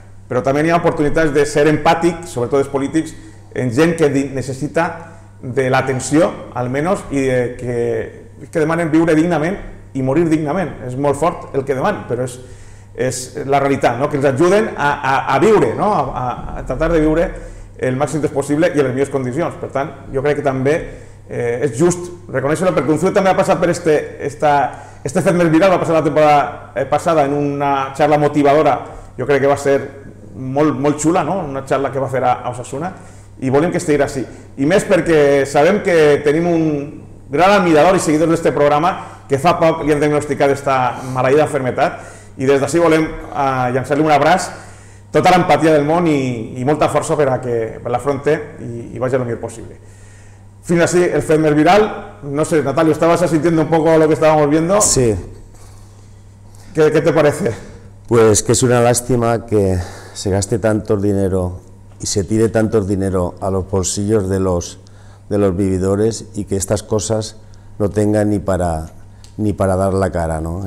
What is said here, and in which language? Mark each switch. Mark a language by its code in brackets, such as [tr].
[es] Pero también hay oportunidades de ser empático, sobre todo los políticos, en gente que necesita de la atención, al menos, y de que demanen vivir dignamente y morir dignamente. Es muy fuerte el que demanen, pero es la [ca] realitat, no? Que ens ajuden a viure, no? a tratar de viure el màxim temps possible i en les millors condicions. Per tant, jo crec que també és just reconèixer-ho, perquè un Zuet també ha passat per este fet més viral, va passar la temporada passada en una xarxa motivadora, jo crec que va ser molt, molt xula, no? Una xarxa que va fer a Osasuna, i volem que estigui així. I més perquè sabem que tenim un gran admirador i seguidor d'este programa que fa poc li han diagnosticat esta maleïda malaltia, i des d'ací volem llançar-li un abraç, tota l'empatia del món i molta força per l'afronte i vagi el millor possible. Fins ací el fet més viral. [es] No sé, Natalio, estabas asintiendo un poco lo que estábamos viendo. Sí. ¿Qué te parece? Pues que es una lástima que se gaste tanto dinero y se tire tanto dinero a los bolsillos de los vividores y que estas cosas no tengan ni para dar la cara, ¿no?